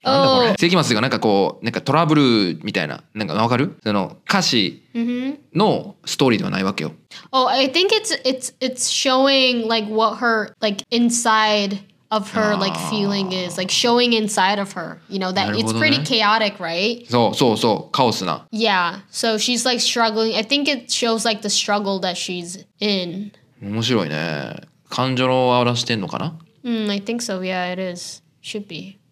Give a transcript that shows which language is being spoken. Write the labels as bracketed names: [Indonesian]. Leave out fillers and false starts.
[Japanese] oh. なんだこれ世紀末がなんかこうなんかトラブルみたいななんかわかるその歌詞のストーリーではないわけよ、 mm-hmm. [English] Oh I think it's showing like what her like insideof her like feeling is like showing inside of her you know that、 [Japanese] ね、 [English] it's pretty chaotic right [Japanese] そうそうそうカオスな [English] yeah so she's like struggling I think it shows like the struggle that she's in [Japanese] 面白いね感情を表してんのかな、 [English] mm, I think so yeah it is should be